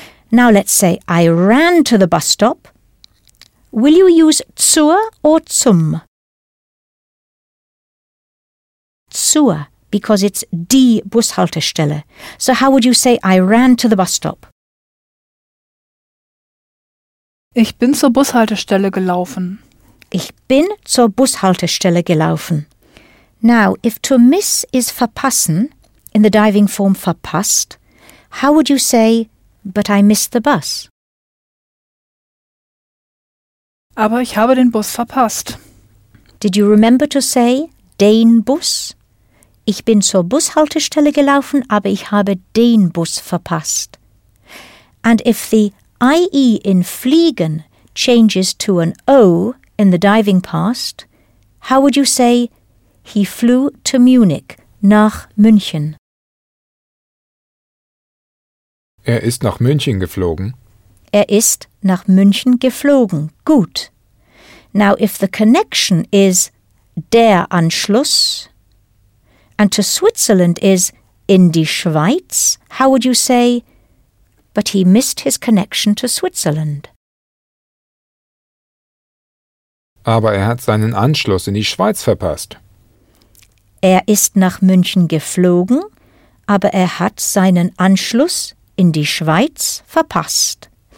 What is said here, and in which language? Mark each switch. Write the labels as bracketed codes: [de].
[en] Now let's say, I ran to the bus stop. Will you use zur or zum? Zur, because it's die Bushaltestelle. So how would you say, I ran to the bus stop? [de] Ich bin zur Bushaltestelle gelaufen. Ich bin zur Bushaltestelle gelaufen. [en] Now, if to miss is verpassen, in the diving form verpasst, how would you say, but I missed the bus? [de] Aber ich habe den Bus verpasst. [en] Did you remember to say, [de] den Bus? Ich bin zur Bushaltestelle gelaufen, aber ich habe den Bus verpasst. [en] And if the IE in fliegen changes to an O in the diving past, how would you say, he flew to Munich, [de] nach München? Er ist nach München geflogen. Er ist nach München geflogen. Gut. [en] Now, if the connection is der Anschluss and to Switzerland is [de] in die Schweiz, [en] how would you say, but he missed his connection to Switzerland? [de] Aber er hat seinen Anschluss in die Schweiz verpasst. Er ist nach München geflogen, aber er hat seinen Anschluss in die Schweiz verpasst.